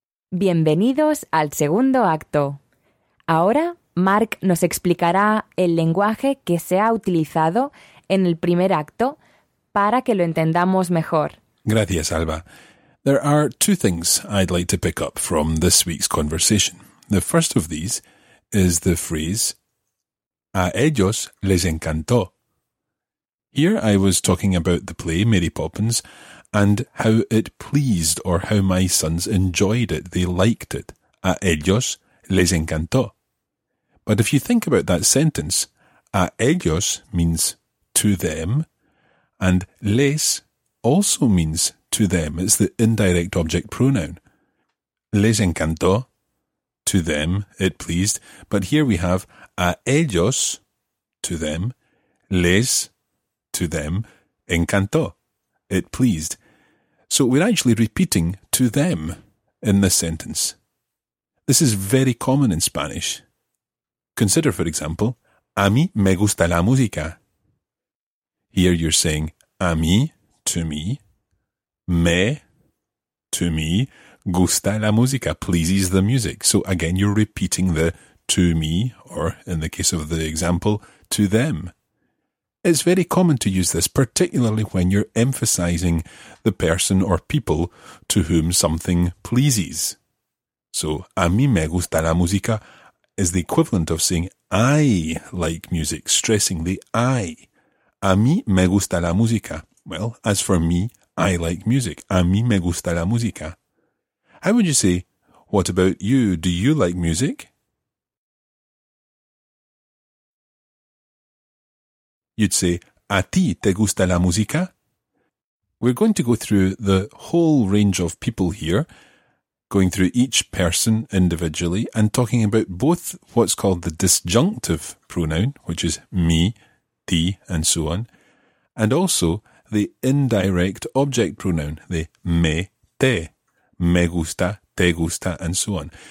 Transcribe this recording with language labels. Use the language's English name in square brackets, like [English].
[Spanish] Bienvenidos al segundo acto. Ahora, Mark nos explicará el lenguaje que se ha utilizado en el primer acto para que lo entendamos mejor. Gracias, Alba. [English] There are two things I'd like to pick up from this week's conversation. The first of these is the phrase, [Spanish] a ellos les encantó. [English] Here I was talking about the play Mary Poppins and how it pleased or how my sons enjoyed it. They liked it. [Spanish] A ellos les encantó. [English] But if you think about that sentence, [Spanish] a ellos [English] means to them, and les also means to them. It's the indirect object pronoun. [Spanish] Les encantó, [English] to them, it pleased. But here we have [Spanish] a ellos, [English] to them, les, to them, [Spanish] encantó, [English] it pleased. So we're actually repeating to them in this sentence. This is very common in Spanish. Consider, for example, [Spanish] a mí me gusta la música. [English] Here you're saying [Spanish] a mí, [English] to me, me, to me, [Spanish] gusta la música, [English] pleases the music. So again, you're repeating the to me, or in the case of the example, to them. It's very common to use this, particularly when you're emphasizing the person or people to whom something pleases. So, [Spanish] a mí me gusta la música [English] is the equivalent of saying I like music, stressing the I. [Spanish] A mí me gusta la música. [English] Well, as for me, I like music. [Spanish] A mí me gusta la música. [English] How would you say, what about you? Do you like music? You'd say, [Spanish] ¿a ti te gusta la música? [English] We're going to go through the whole range of people here, going through each person individually and talking about both what's called the disjunctive pronoun, which is me, ti, and so on, and also the indirect object pronoun, the me, te, [Spanish] me gusta, te gusta, [English] and so on.